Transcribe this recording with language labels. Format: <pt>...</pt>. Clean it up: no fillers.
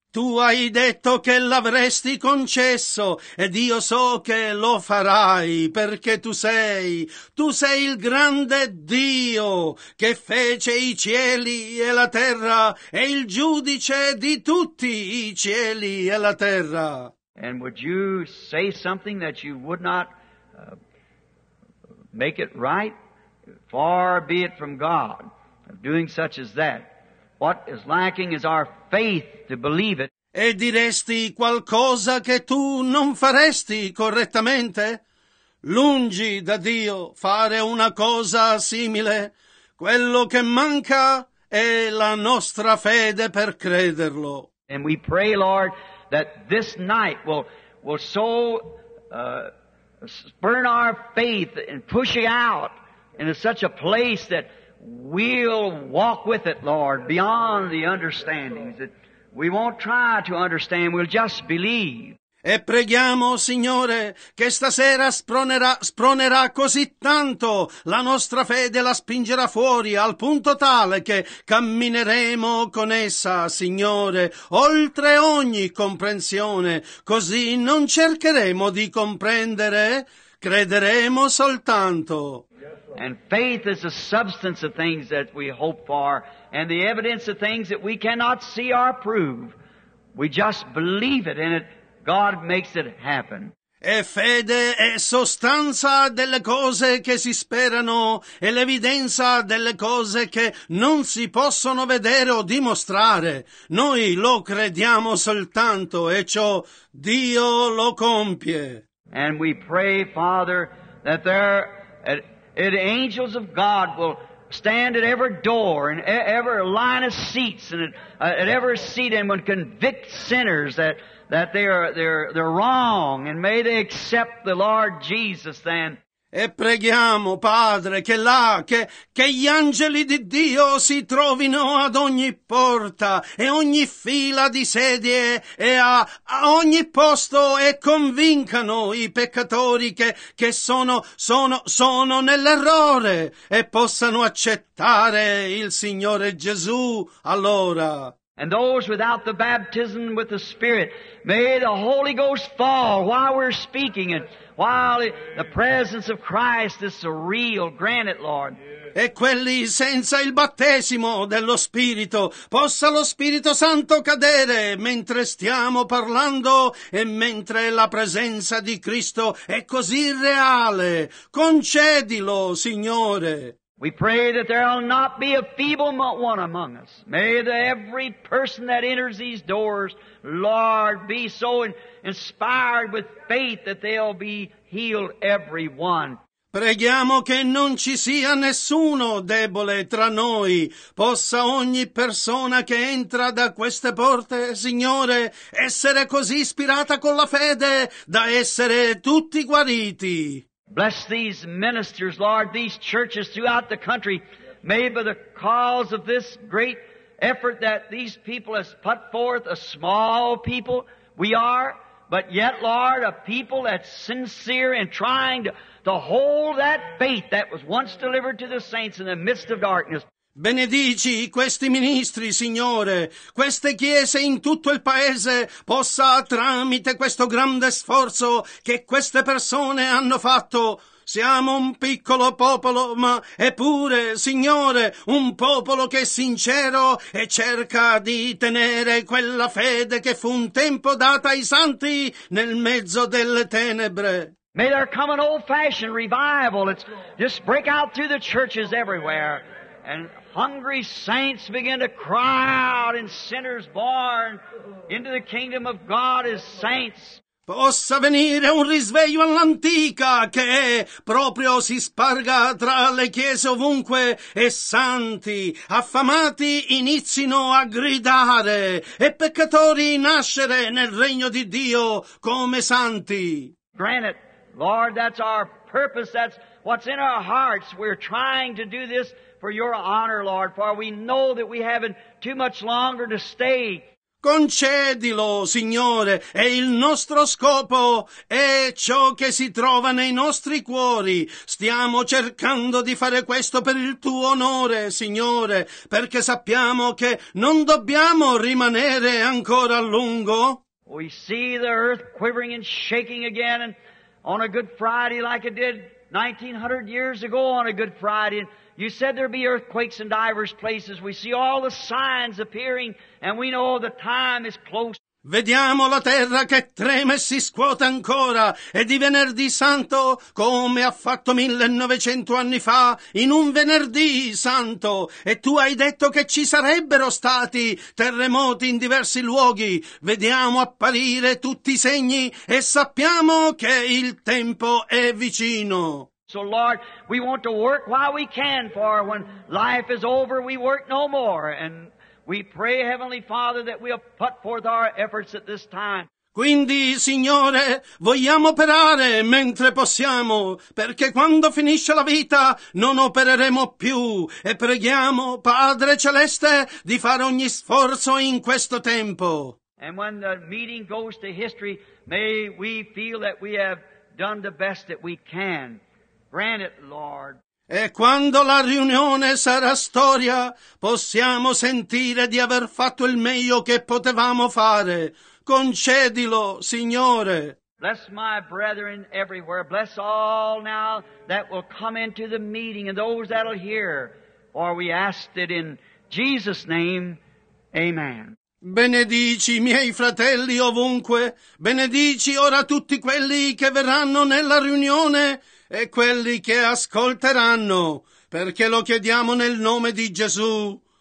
<it>Tu hai detto che l'avresti concesso ed io so che lo farai perché tu sei il grande Dio che fece i cieli e la terra e il giudice di tutti i cieli e la terra.</it> <en>And would you say something that you would not make it right? Far be it from God of doing such as that. What is lacking is our faith to believe it.</en> <it>E diresti qualcosa che tu non faresti correttamente? Lungi da Dio fare una cosa simile. Quello che manca è la nostra fede per crederlo.</it> <en>And we pray, Lord, that this night will so... spurn our faith and push it out into such a place that we'll walk with it, Lord, beyond the understandings, that we won't try to understand, we'll just believe.</en> <it>E preghiamo, Signore, che stasera spronerà così tanto la nostra fede, la spingerà fuori al punto tale che cammineremo con essa, Signore, oltre ogni comprensione. Così non cercheremo di comprendere, crederemo soltanto.</it> <en>And faith is the substance of things that we hope for, and the evidence of things that we cannot see or prove. We just believe it in it. God makes it happen.</en> <it>E fede è sostanza delle cose che si sperano e l'evidenza delle cose che non si possono vedere o dimostrare. Noi lo crediamo soltanto e ciò Dio lo compie.</it> <en>And we pray, Father, that there the angels of God will stand at every door and every line of seats and at every seat and will convict sinners that they're wrong, and may they accept the Lord Jesus then.</en> <it>E preghiamo, Padre, che là, che gli angeli di Dio si trovino ad ogni porta e ogni fila di sedie e a ogni posto e convincano i peccatori che sono nell'errore e possano accettare il Signore Gesù allora.</it> <en>And those without the baptism with the Spirit, may the Holy Ghost fall while we're speaking and while the presence of Christ is real. Grant it, Lord.</en> <it>E quelli senza il battesimo dello Spirito, possa lo Spirito Santo cadere mentre stiamo parlando e mentre la presenza di Cristo è così reale. Concedilo, Signore.</it> <en>We pray that there will not be a feeble one among us. May every person that enters these doors, Lord, be so inspired with faith that they'll be healed, every one.</en> <it>Preghiamo che non ci sia nessuno debole tra noi. Possa ogni persona che entra da queste porte, Signore, essere così ispirata con la fede da essere tutti guariti.</it> <en>Bless these ministers, Lord, these churches throughout the country. May by the cause of this great effort that these people has put forth, a small people we are, But yet, Lord, a people that's sincere in trying to hold that faith that was once delivered to the saints in the midst of darkness.</en> <it>Benedici questi ministri, Signore, queste chiese in tutto il paese possa, tramite questo grande sforzo che queste persone hanno fatto, siamo un piccolo popolo, ma eppure, Signore, un popolo che è sincero e cerca di tenere quella fede che fu un tempo data ai santi nel mezzo delle tenebre.</it> <en>May there come an old-fashioned revival. It's just break out through the churches everywhere. And hungry saints begin to cry out and sinners born into the kingdom of God as saints.</en> <it>Possa venire un risveglio all'antica che proprio si sparga tra le chiese ovunque e santi, affamati inizino a gridare e peccatori nascere nel regno di Dio come santi.</it> <en>Grant it, Lord, that's our purpose, that's what's in our hearts. We're trying to do this for your honor, Lord, for we know that we haven't too much longer to stay.</en> <it>Concedilo, Signore, è il nostro scopo, è ciò che si trova nei nostri cuori. Stiamo cercando di fare questo per il tuo onore, Signore, perché sappiamo che non dobbiamo rimanere ancora a lungo.</it> <en>We see the earth quivering and shaking again and on a good Friday like it did 1900 years ago on a good Friday. You said there'd be earthquakes in diverse places. We see all the signs appearing, and we know the time is close.</en> <it>Vediamo la terra che treme e si scuote ancora, e di Venerdì Santo, come ha fatto 1900 anni fa, in un Venerdì Santo, e tu hai detto che ci sarebbero stati terremoti in diversi luoghi. Vediamo apparire tutti i segni, e sappiamo che il tempo è vicino.</it> <en>So Lord, we want to work while we can, for when life is over, we work no more. And we pray, Heavenly Father, that we'll put forth our efforts at this time.</en> <it>Quindi, Signore, vogliamo operare mentre possiamo, perché quando finisce la vita non opereremo più. E preghiamo, Padre Celeste, di fare ogni sforzo in questo tempo.</it> <en>And when the meeting goes to history, may we feel that we have done the best that we can. Grant it, Lord.</en> <it>E quando la riunione sarà storia, possiamo sentire di aver fatto il meglio che potevamo fare. Concedilo, Signore.</it> <en>Bless my brethren everywhere. Bless all now that will come into the meeting and those that will hear. For we ask it in Jesus' name. Amen.</en> <it>Benedici i miei fratelli ovunque. Benedici ora tutti quelli che verranno nella riunione e quelli che ascolteranno, perché lo chiediamo nel nome di Gesù.</it>